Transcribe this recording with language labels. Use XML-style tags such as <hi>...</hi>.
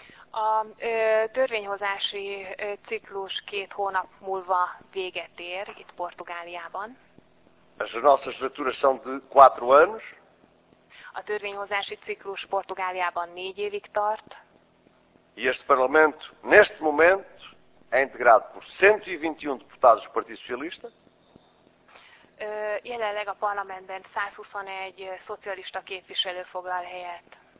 <hu>A törvényhozási ciklus 2 hónap múlva véget ér itt Portugáliában.</hu> <pt>As nossas leituras são de 4 anos.</pt> <hu>A törvényhozási ciklus Portugáliában 4 évig tart.</hu> <pt>E este Parlamento, neste momento, é integrado por 121 deputados do Partido Socialista.</pt> <hu>Jelenleg a parlamentben 121 szocialista képviselő foglal helyet.</hu>